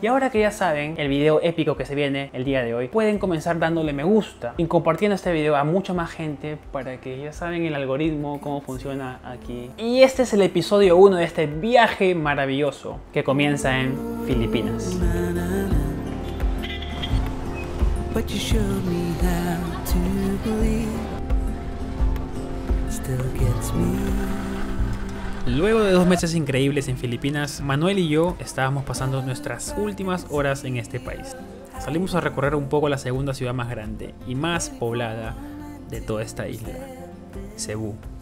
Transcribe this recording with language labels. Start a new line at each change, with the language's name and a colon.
Spanish: Y ahora que ya saben el video épico que se viene el día de hoy, pueden comenzar dándole me gusta y compartiendo este video a mucha más gente para que ya saben el algoritmo, cómo funciona aquí. Y este es el episodio 1 de este viaje maravilloso que comienza en Filipinas.
English: But you showed me how to believe. Still gets me.
Spanish: Luego de 2 meses increíbles en Filipinas, Manuel y yo estábamos pasando nuestras últimas horas en este país. Salimos a recorrer un poco la segunda ciudad más grande y más poblada de toda esta isla, Cebú.